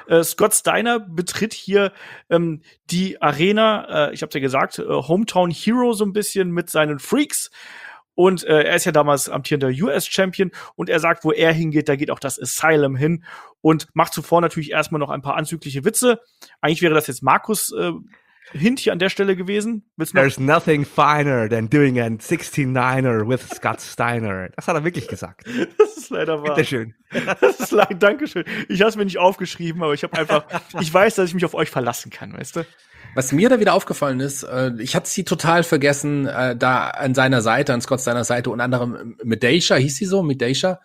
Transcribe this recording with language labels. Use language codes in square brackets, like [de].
[de] Scott Steiner betritt hier die Arena, ich hab's ja gesagt, Hometown Hero so ein bisschen mit seinen Freaks. Und er ist ja damals amtierender US-Champion und er sagt, wo er hingeht, da geht auch das Asylum hin und macht zuvor natürlich erstmal noch ein paar anzügliche Witze. Eigentlich wäre das jetzt Markus Hint hier an der Stelle gewesen. [en] There's nothing finer than doing a 69er with Scott Steiner. [de] Das hat er wirklich gesagt. Das ist leider wahr. Bitteschön. Dankeschön. Ich habe es mir nicht aufgeschrieben, aber ich weiß, dass ich mich auf euch verlassen kann, weißt du? Was mir da wieder aufgefallen ist, ich hatte sie total vergessen, da an seiner Seite, an Scott seiner Seite, unter anderem Medeja, hieß sie so, Medeja?